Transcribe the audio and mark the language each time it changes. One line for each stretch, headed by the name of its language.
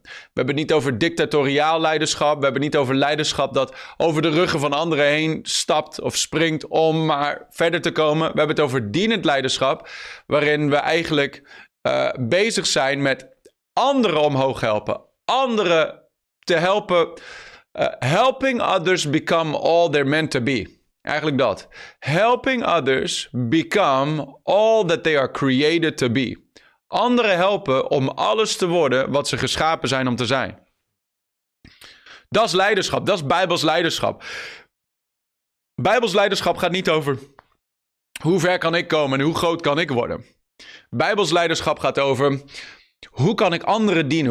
Dutch: We hebben het niet over dictatoriaal leiderschap. We hebben het niet over leiderschap dat over de ruggen van anderen heen stapt of springt om maar verder te komen. We hebben het over dienend leiderschap, waarin we eigenlijk bezig zijn met anderen omhoog helpen. Anderen te helpen,
English: helping others become all they're meant to be.
Dutch: Eigenlijk dat.
English: Helping others become all that they are created to be.
Dutch: Anderen helpen om alles te worden wat ze geschapen zijn om te zijn. Dat is leiderschap. Dat is Bijbels leiderschap. Bijbels leiderschap gaat niet over hoe ver kan ik komen en hoe groot kan ik worden. Bijbels leiderschap gaat over, hoe kan ik anderen dienen?